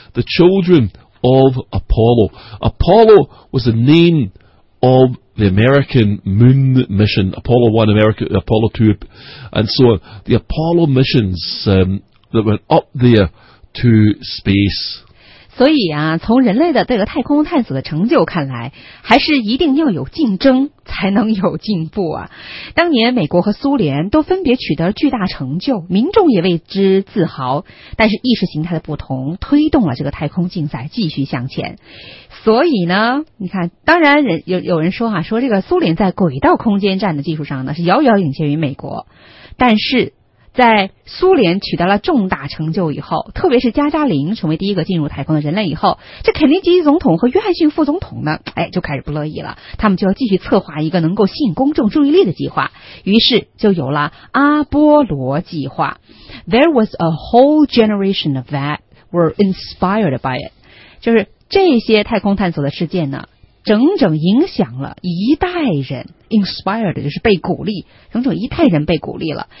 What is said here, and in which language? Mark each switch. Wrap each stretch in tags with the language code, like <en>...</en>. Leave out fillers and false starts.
<en>The children of Apollo. Apollo was the name of the American moon mission, Apollo 1, Apollo 2, and so on. The Apollo missions that went up there to space.</en> <zh>所以啊，从人类的这个太空探索的成就看来，还是一定要有竞争才能有进步啊。当年美国和苏联都分别取得了巨大成就，民众也为之自豪，但是意识形态的不同推动了这个太空竞赛继续向前。所以呢，你看，当然有人说啊，说这个苏联在轨道空间站的技术上呢是遥遥领先于美国，但是在苏联取得了重大成就以后，特别是加加林成为第一个进入太空的人类以后，这肯尼基总统和约翰逊副总统呢，就开始不乐意了。他们就要继续策划一个能够吸引公众注意力的计划，于是就有了阿波罗计划。</zh> <en>There was a whole generation of that were inspired by it.</en> <zh>就是这些太空探索的事件呢，整整影响了一代人 ，inspired 就是被鼓励，整整一代人被鼓励了。</zh>